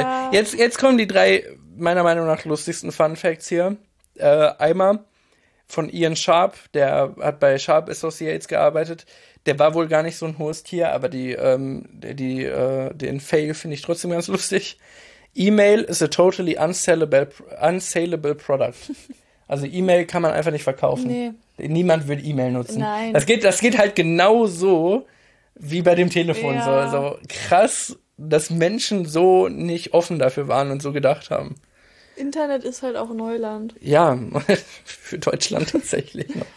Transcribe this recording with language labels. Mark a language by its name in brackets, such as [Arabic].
[German] Ja. Jetzt kommen die drei meiner Meinung nach lustigsten Fun Facts hier. Einmal von Ian Sharp, der hat bei Sharp Associates gearbeitet. Der war wohl gar nicht so ein hohes Tier, aber den Fail finde ich trotzdem ganz lustig. [English] E-Mail is a totally unsalable product. [German] Also E-Mail kann man einfach nicht verkaufen. Nee. Niemand will E-Mail nutzen. Das Nein. geht halt genauso wie bei dem Telefon. So Ja. also, krass, dass Menschen so nicht offen dafür waren und so gedacht haben. Internet ist halt auch Neuland. Ja, für Deutschland tatsächlich noch.